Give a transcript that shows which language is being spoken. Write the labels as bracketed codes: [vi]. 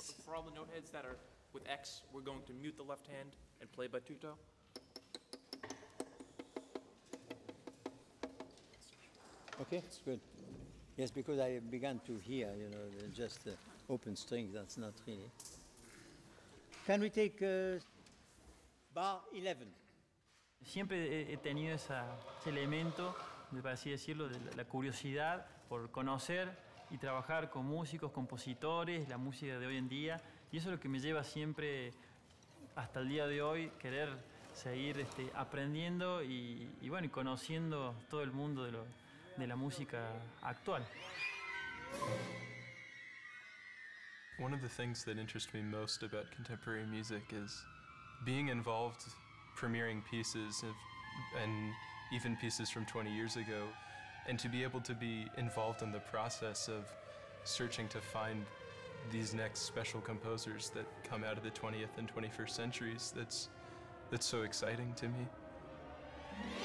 [en] For all the note heads that are with X, we're going to mute the left hand and play battuto. Okay, it's good. Yes, because I began to hear, you know, just the open strings, that's not really. Can we take bar 11? [es] Siempre he tenido ese elemento, por así decirlo, de la curiosidad por conocer y trabajar con músicos, compositores, la música de hoy en día. Y eso es lo que me lleva siempre, hasta el día de hoy, querer seguir aprendiendo y bueno, conociendo todo el mundo de la música actual. [en] One of the things that interests me most about contemporary music is being involved premiering pieces and even pieces from 20 years ago, and to be able to be involved in the process of searching to find these next special composers that come out of the 20th and 21st centuries, that's so exciting to me.